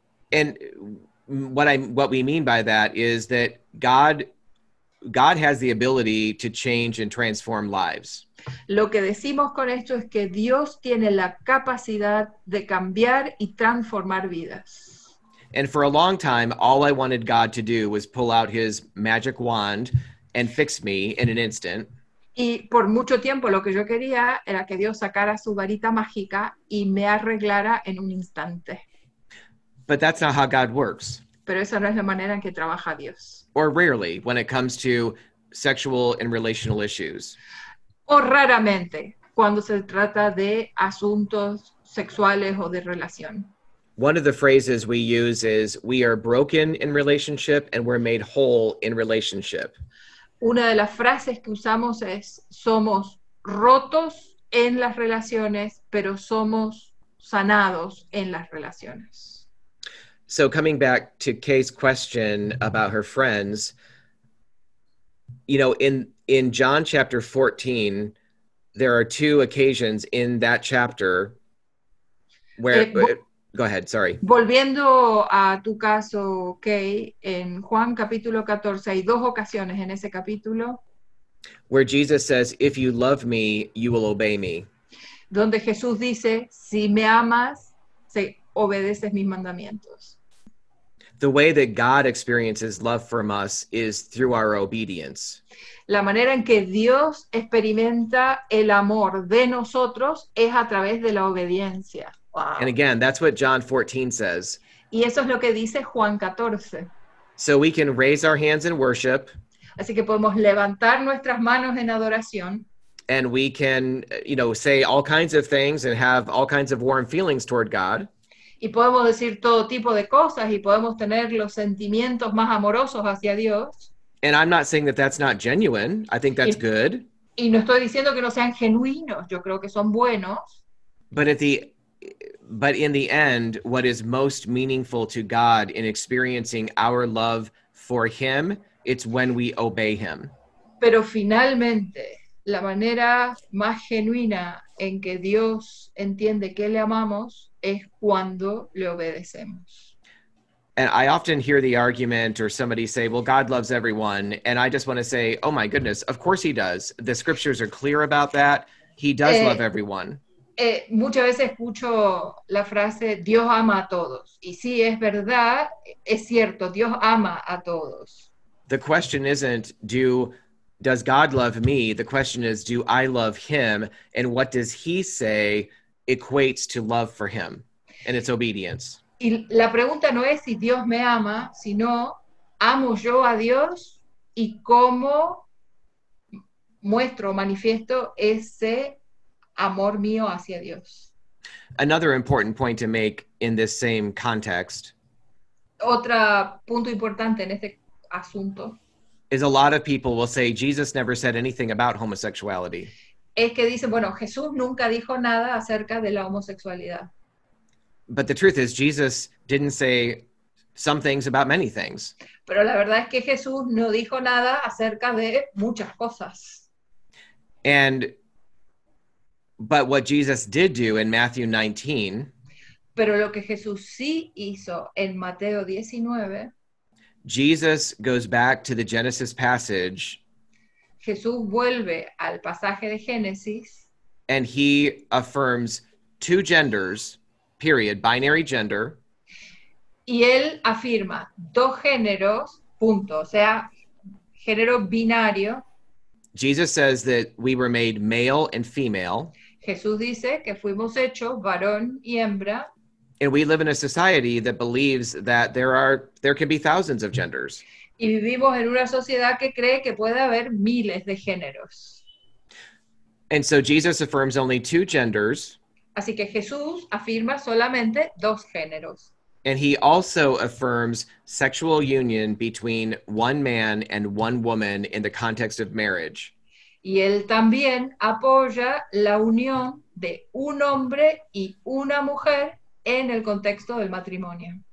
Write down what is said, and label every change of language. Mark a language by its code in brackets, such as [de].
[en] And what we mean by that is that God has the ability to change and transform lives. [es] Lo que decimos con esto es que Dios tiene la capacidad de cambiar y transformar vidas. [en] And for a long time, all I wanted God to do was pull out his magic wand and fix me in an instant. [es] Y por mucho tiempo lo que yo quería era que Dios sacara su varita mágica y me arreglara en un instante. [en] But that's not how God works. [es] Pero esa no es la manera en que trabaja Dios. [en] Or rarely when it comes to sexual and relational issues. [es] O raramente cuando se trata de asuntos sexuales o de relación. [en] One of the phrases we use is we are broken in relationship and we're made whole in relationship. [es] Una de las frases que usamos es somos rotos en las relaciones, pero somos sanados en las relaciones. [en] So coming back to Kay's question about her friends, you know, in John chapter 14, there are two occasions in that chapter where, go ahead, sorry. [es] Volviendo a tu caso, Kay, en Juan capítulo 14, hay dos ocasiones en ese capítulo. [en] Where Jesus says, if you love me, you will obey me. [es] Donde Jesús dice, si me amas, se obedeces mis mandamientos. [en] The way that God experiences love from us is through our obedience. [es] La manera en que Dios experimenta el amor de nosotros es a través de la obediencia. [en] Wow. And again, that's what John 14 says. [es] Y eso es lo que dice Juan 14. [en] So we can raise our hands in worship. [es] Así que podemos levantar nuestras manos en adoración. [en] And we can, you know, say all kinds of things and have all kinds of warm feelings toward God. [es] Y podemos decir todo tipo de cosas y podemos tener los sentimientos más amorosos hacia Dios. [en] And I'm not saying that that's not genuine. I think that's good. [es] Y no estoy diciendo que no sean genuinos. Yo creo que son buenos. [en] But in the end, what is most meaningful to God in experiencing our love for him, it's when we obey him. [es] Pero finalmente, la manera más genuina en que Dios entiende que le amamos es cuando le obedecemos. [en] And I often hear the argument or somebody say, well, God loves everyone. And I just want to say, oh my goodness, of course he does. The scriptures are clear about that. He does love everyone. [es] Muchas veces escucho la frase, Dios ama a todos. Y sí, es verdad, es cierto, Dios ama a todos. [en] The question isn't, does God love me? The question is, do I love him? And what does he say equates to love for him? And it's obedience. [es] Y la pregunta no es si Dios me ama, sino, ¿amo yo a Dios? ¿Y cómo muestro, manifiesto ese amor mío hacia Dios. [en] Another important point to make in this same context. [es] Otro punto importante en este asunto. [en] Is a lot of people will say Jesus never said anything about homosexuality. [es] Es que dicen, bueno, Jesús nunca dijo nada acerca de la homosexualidad. [en] But the truth is, Jesus didn't say some things about many things. [es] Pero la verdad es que Jesús no dijo nada acerca de muchas cosas. [en] But what Jesus did do in Matthew 19. [es] Pero lo que Jesús sí hizo en Mateo 19. [en] Jesus goes back to the Genesis passage. [es] Jesús vuelve al pasaje de Génesis. [en] And he affirms two genders, period, binary gender. [es] Y él afirma dos géneros, punto, o sea, género binario. [en] Jesus says that we were made male and female. [es] Jesús dice que fuimos hechos varón y hembra. [en] And we live in a society that believes that there can be thousands of genders. [es] Y vivimos en una sociedad que cree que puede haber miles de géneros. [en] And so Jesus affirms only two genders. [es] Así que Jesús afirma solamente dos géneros. [en] And he also affirms sexual union between one man and one woman in the context of marriage. [es] Y él también apoya la unión de un hombre y una mujer en el contexto del matrimonio.